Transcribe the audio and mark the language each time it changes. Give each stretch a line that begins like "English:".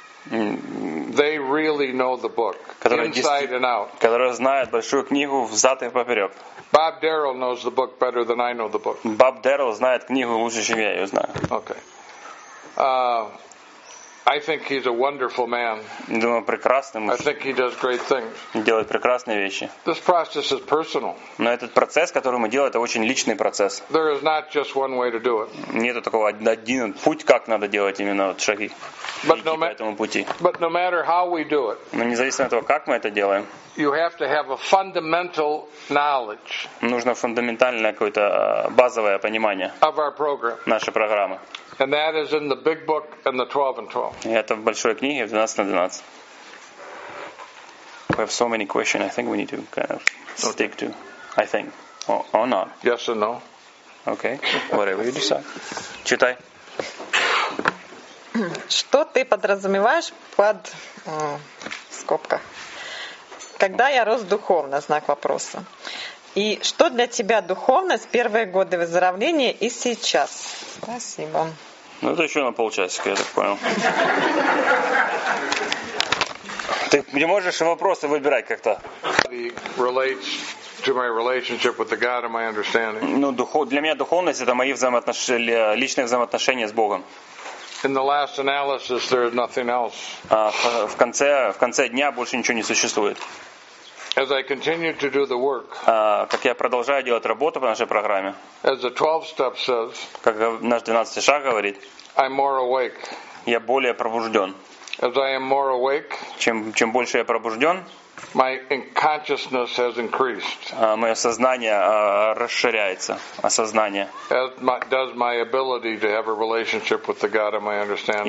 English: They really know the book, inside and out.
Russian: Которые знают большую книгу взад и поперек.
English: Bob Darrell knows the book better than I know the book.
Russian: Bob Darrell знает книгу лучше, чем я ее знаю.
English: Okay. I think he's a wonderful man.
Russian: Думаю, прекрасный мужчина.
English: I think he does great things.
Russian: Делает прекрасные вещи.
English: This process is personal.
Russian: Но этот процесс, который мы делаем, это очень личный процесс.
English: There is not just one way to do it.
Russian: Нету такого один путь, как надо делать именно шаги по этому пути.
English: But no matter how we do it.
Russian: Но независимо от того, как мы это делаем.
English: You have to have a fundamental knowledge.
Russian: Нужно фундаментальное какое-то базовое понимание.
English: Of our program.
Russian: Нашей программы.
English: And that is in the big book and the 12 and 12.
Russian: И это в большой книге, в 12 на 12.
English: We have so many questions. I think we need to kind of stick to, I think, or not. Yes or no. Okay, whatever you decide.
Russian: Читай. Что ты подразумеваешь под скобках? Когда я рос духовно, знак вопроса. И что для тебя духовность первые годы выздоровления и сейчас? Спасибо. Ну, это еще на полчасика, я так понял. Ты не можешь вопросы выбирать как-то? Для меня духовность – это мои личные взаимоотношения с Богом.
English: In the last analysis, there is nothing else.
Russian: В конце дня больше ничего не существует.
English: As I continue to do the work,
Russian: как я продолжаю делать работу по нашей программе,
English: as the 12 step says,
Russian: как наш 12 шаг говорит,
English: I'm more awake.
Russian: Я более пробужден.
English: As I am more awake,
Russian: чем больше я пробужден,
English: my consciousness has increased.
Russian: Мое сознание расширяется, осознание.
English: As does my ability to have a relationship with the God of my understanding.